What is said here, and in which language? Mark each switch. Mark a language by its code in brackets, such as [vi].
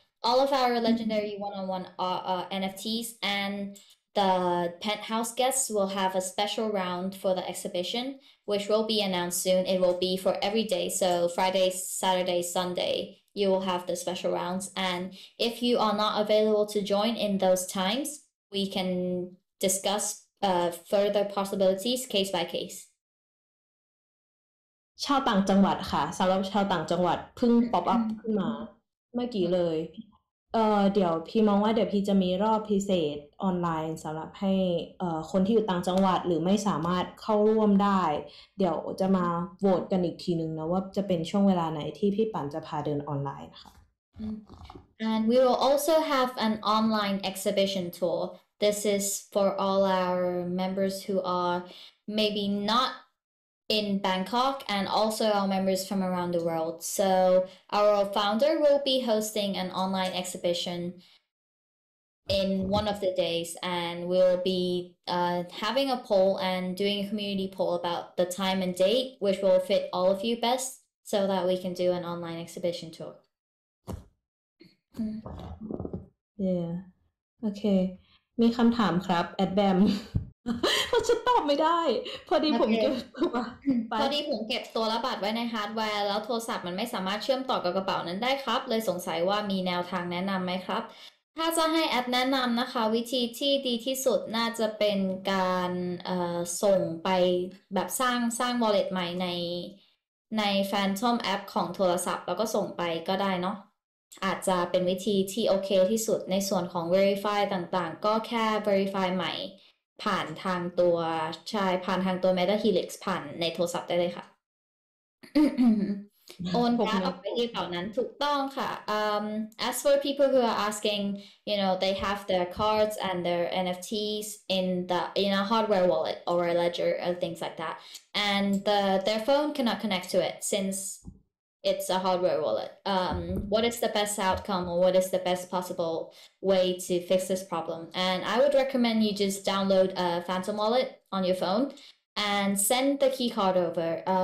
[en] All of our legendary one-on-one NFTs and the penthouse guests will have a special round for the exhibition, which will be announced soon. It will be for every day. So Friday, Saturday, Sunday, you will have the special rounds. And if you are not available to join in those times, we can discuss further possibilities case by case. [th] ชาวต่างจังหวัดค่ะสำหรับชาวต่างจังหวัดเพิ่งป๊อปอัพขึ้นมาเมื่อกี้เลยเดี๋ยวพี่มองว่าเดี๋ยวพี่จะมีรอบพิเศษออนไลน์สำหรับให้คนที่อยู่ต่างจังหวัดหรือไม่สามารถเข้าร่วมได้เดี๋ยวจะมาโหวตกันอีกทีนึงนะว่าจะเป็นช่วงเวลาไหนที่พี่ปั่นจะพาเดินออนไลน์นะคะ [en] And we will also have an online exhibition tour. This is for all our members who are maybe not in Bangkok and also our members from around the world. So our founder will be hosting an online exhibition in one of the days and we'll be having a poll and doing a community poll about the time and date which will fit all of you best so that we can do an online exhibition tour. Yeah. Okay. [th] มีคำถามครับแอดแบมเพราะฉันตอบไม่ได้พอดีผมเก็บตัว พอดีผมเก็บตัวและบัตรไว้ในฮาร์ดแวร์แล้วโทรศัพท์มันไม่สามารถเชื่อมต่อกับกระเป๋านั้นได้ครับเลยสงสัยว่ามีแนวทางแนะนำไหมครับถ้าจะให้แอดแนะนำนะคะวิธีที่ดีที่สุดน่าจะเป็นการส่งไปแบบสร้างวอลเล็ตใหม่ ในแฟนทอมแอปของโทรศัพท์แล้วก็ส่งไปก็ได้เนาะอาจจะเป็นวิธีที่โอเคที่สุดในส่วนของ verify ต่างๆก็แค่ verify ใหม่ผ่านทางตัวใช่ผ่านทางตัว Meta Helix ผ่านในโทรศัพท์ได้เลยค่ะ โอนการออกไปที่เหล่านั้นถูกต้องค่ะ [en] as for people who are asking you know they have their cards and their NFTs in a hardware wallet or a ledger or things like that and their phone cannot connect to it sinceIt's a hardware wallet. What is the best outcome or what is the best possible way to fix this problem? And I would recommend you just download a Phantom wallet on your phone and send the key card over.